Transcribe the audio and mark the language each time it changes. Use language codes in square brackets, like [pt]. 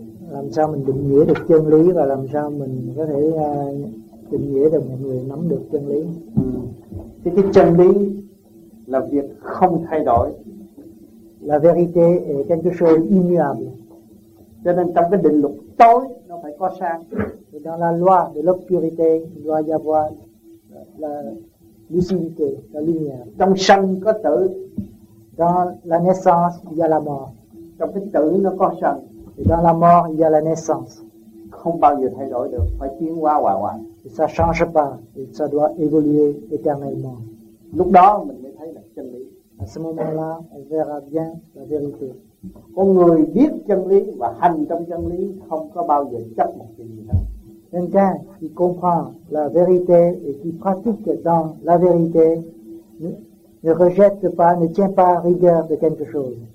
[vi] Làm sao mình định nghĩa được chân lý và làm sao mình có thể định nghĩa được một người nắm được chân lý? Thì cái chân lý là việc không thay đổi. [fr] La vérité est quelque chose immuable. [vi] Cho nên trong cái định luật tối nó phải có sáng. [fr] Dans la loi de l'obscurité, il doit y avoir la lucidité, la lumière. [vi] Trong sanh có tử. [fr] Dans la naissance, il y a la mort. [vi] Trong cái tử nó có sanh. [fr] Et dans la mort, il y a la naissance. [vi] Không bao giờ thay đổi được, phải tiến hóa hoài hoài. [fr] Et ça change pas, et ça doit évoluer éternellement. [vi] Lúc đó, mình mới thấy là chân lý. [fr] À ce moment-là, on verra bien la vérité. [vi] Con người biết chân lý và hành trong chân lý không có bao giờ chấp một chuyện gì hết. [fr] Quelqu'un qui comprend la vérité et qui pratique dans la vérité ne rejette pas, ne tient pas rigueur de quelque chose.